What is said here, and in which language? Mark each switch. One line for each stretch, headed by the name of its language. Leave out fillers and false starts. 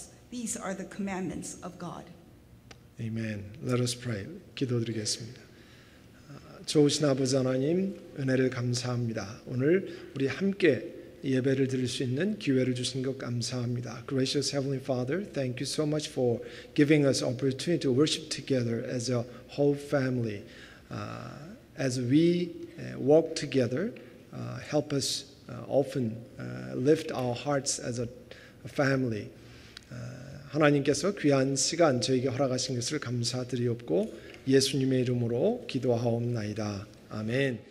English: These are the commandments of God. Amen. Let us pray.
Korean: 기도드리겠습니다. 좋으신 아버지 하나님, 은혜를 감사합니다. 오늘 우리 함께 예배를 드릴 수 있는 기회를 주신 것 감사합니다.
English: Gracious Heavenly Father, thank you so much for giving us opportunity to worship together as a whole family. As we walk together, help us often lift our hearts as a family.
Korean: 하나님께서 귀한 시간 저희에게 허락하신 것을 감사드리옵고 예수님의 이름으로 기도하옵나이다. 아멘.